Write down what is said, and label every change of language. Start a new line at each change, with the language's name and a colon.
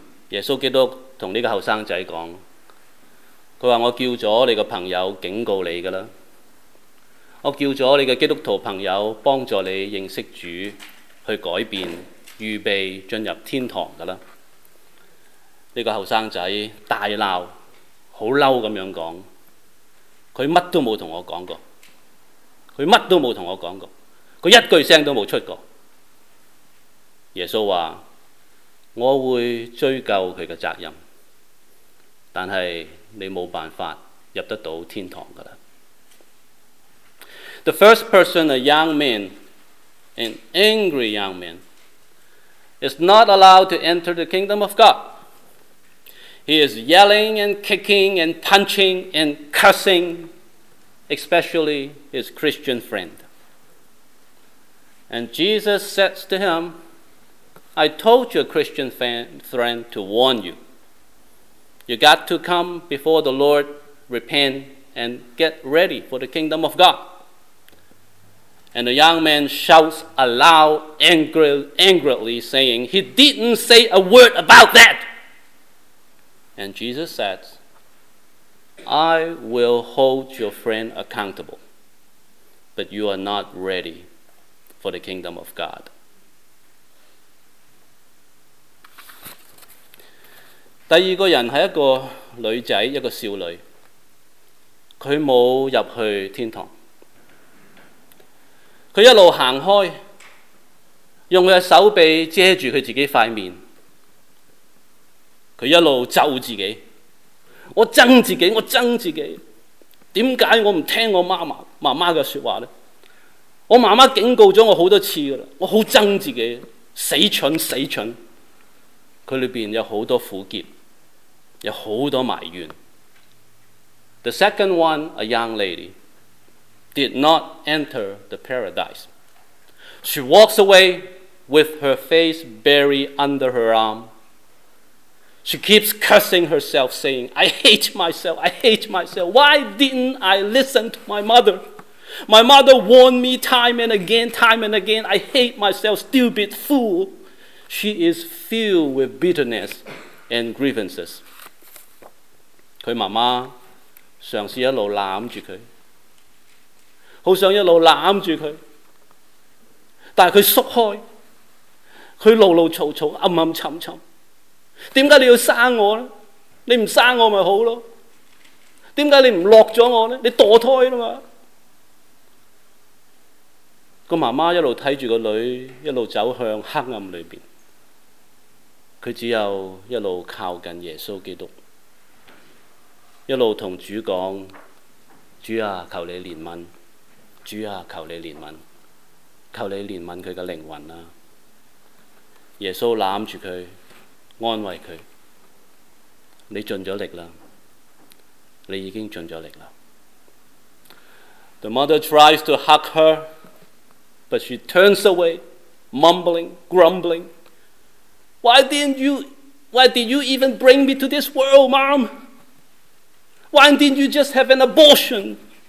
Cantonese: 耶稣基督跟这个后生仔说，他说，我叫了你的朋友警告你的了，我叫了你的基督徒朋友帮助你认识主去改变，预备进入天堂的了。这个后生仔大闹，好嬲咁样讲，佢乜都冇同我讲过，佢乜都冇同我讲过，佢一句声都冇出过。耶稣话：我会追究佢嘅责任，但系你冇办法入得到天堂噶啦。
English: The first person, a young man, an angry young man, is not allowed to enter the kingdom of God. He is yelling and kicking and punching and cursing, especially his Christian friend. And Jesus says to him, I told your Christian friend to warn you. You got to come before the Lord, repent, and get ready for the kingdom of God. And the young man shouts aloud, angrily saying, He didn't say a word about that. And Jesus said, I will hold your friend accountable, but you are not ready for the kingdom of God.
Cantonese: 第二个人是一个女仔，一个少女，她没有进去天堂。她一路走开，用她的手臂遮住她自己的面。他一路咒自己，我憎自己，我憎自己，点解我唔听我妈妈嘅说话呢？我妈妈警告咗我好多次噶啦，我好憎自己，死蠢死蠢。佢里边有好多苦涩，有好多埋怨。
English: The second one, a young lady, did not enter the paradise. She walks away with her face buried under her arm. She keeps cursing herself, saying, I hate myself, I hate myself. Why didn't I listen to my mother? My mother warned me time and again, time and again. I hate myself, stupid fool. She is filled with bitterness and grievances.
Cantonese: 她妈妈嘗試一路攬住佢，好想一路攬住佢，但係佢縮開，佢怒怒嘈嘈，暗暗沉沉。點解你要生我咧？你唔生我咪好咯？點解你唔落咗我咧？你墮胎啦嘛！個媽媽一路睇住個女，一路走向黑暗裏邊。佢只有一路靠近耶穌基督，一路同主講：主啊，求你憐憫！主啊，求你憐憫！求你憐憫佢嘅靈魂啊！耶穌攬住佢，安慰佢：你盡咗力啦，你已經盡咗力啦。
English: The mother tries to hug her, but she turns away, mumbling, grumbling. Why did you even bring me to this world, mom? Why didn't you just have an abortion?